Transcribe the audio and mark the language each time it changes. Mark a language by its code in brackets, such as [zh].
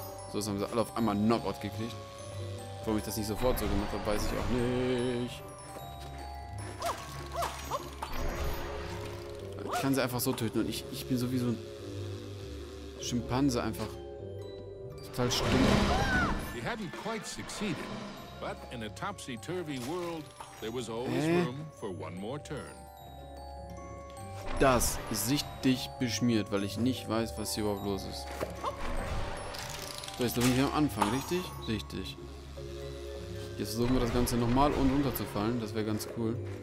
[de] So, das haben sie alle auf einmal Knockout gekriegt. Warum ich das nicht sofort so gemacht habe, weiß ich auch nicht. Ich kann sie einfach so töten und ich bin sowieso ein Schimpanse einfach. Total stumm. Sie hatten [en] quite succeeded, but in a topsy-turvy world there was always room for one more turn. [de] Das ist richtig beschmiert, weil ich nicht weiß, was hier überhaupt los ist. So, jetzt bin ich am Anfang, richtig? Richtig. Jetzt versuchen wir das Ganze nochmal und runterzufallen. Das wäre ganz cool.